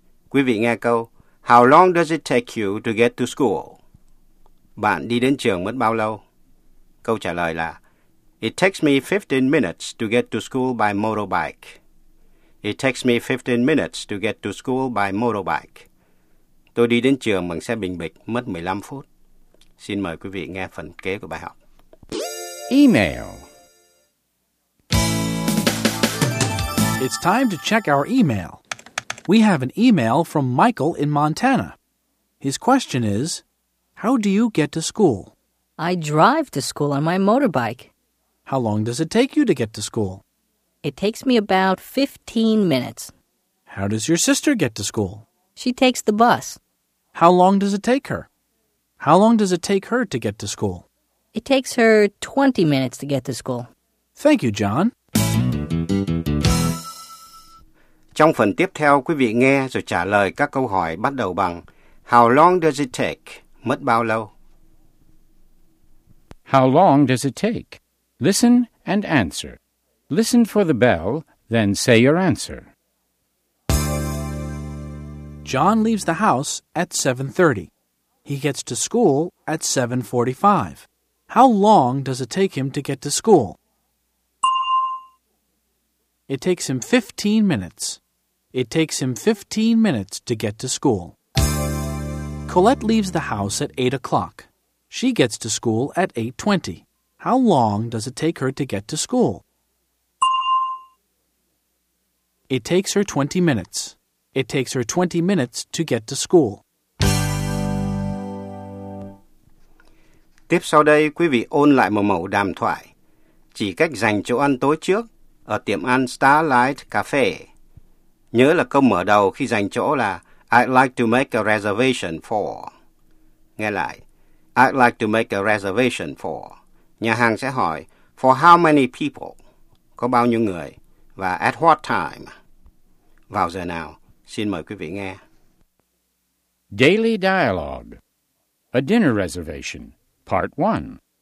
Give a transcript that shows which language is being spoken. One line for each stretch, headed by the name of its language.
Vietnamese: Quý vị nghe câu,
English: how long does it take you to get to school?
Vietnamese: Bạn đi đến trường mất bao lâu? Câu trả lời là,
English: it takes me 15 minutes to get to school by motorbike. It takes me 15 minutes to get to school by motorbike.
Vietnamese: Tôi đi đến trường bằng xe bình bịch mất 15 phút. Xin mời quý vị nghe phần kế của bài học.
English: Email. It's time to check our email. We have an email from Michael in Montana. His question is, how do you get to school? I drive to school on my motorbike. How long does it take you to get to school? It takes me about 15 minutes. How does your sister get to school? She takes the bus. How long does it take her? How long does it take her to get to school? It takes her 20 minutes to get to school. Thank you, John.
Vietnamese: Trong phần tiếp theo, quý vị nghe rồi trả lời các câu hỏi bắt đầu bằng
English: How long does it take?
Vietnamese: Mất bao lâu?
English: How long does it take? Listen and answer. Listen for the bell, then say your answer. John leaves the house at 7:30. He gets to school at 7:45. How long does it take him to get to school? It takes him 15 minutes. It takes him 15 minutes to get to school. Colette leaves the house at 8 o'clock. She gets to school at 8:20. How long does it take her to get to school? It takes her 20 minutes. It takes her 20 minutes to get to school.
Vietnamese: Tiếp sau đây, quý vị ôn lại một mẫu đàm thoại. Chỉ cách dành chỗ ăn tối trước ở tiệm ăn Starlight Cafe. Nhớ là câu mở đầu khi dành chỗ là
English: I'd like to make a reservation for.
Vietnamese: Nghe lại.
English: I'd like to make a reservation for.
Vietnamese: Nhà hàng sẽ hỏi
English: for how many people?
Vietnamese: Có bao nhiêu người? Và
English: at what time?
Vietnamese: Vào giờ nào? Xin mời quý vị nghe.
English: Daily Dialogue. A Dinner Reservation. Part 1.